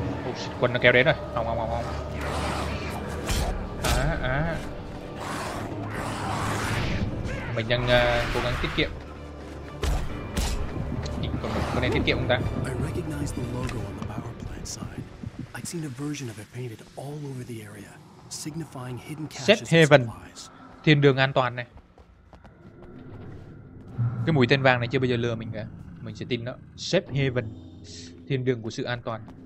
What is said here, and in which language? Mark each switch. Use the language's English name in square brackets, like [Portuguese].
[English] Oh shit, [Vietnamese] quân nó kéo đến rồi. Không không không không. À, à. Mình đang cố gắng tiết kiệm. [English] I recognized the logo on the power plant sign. I'd seen a version of it painted all over the area, signifying hidden caches. [Vietnamese] Heaven. Thiên đường an toàn này. Cái mũi tên vàng này chưa bao giờ lừa mình cả. Mình sẽ tin nó. Safe Haven. Thiên đường của sự an toàn.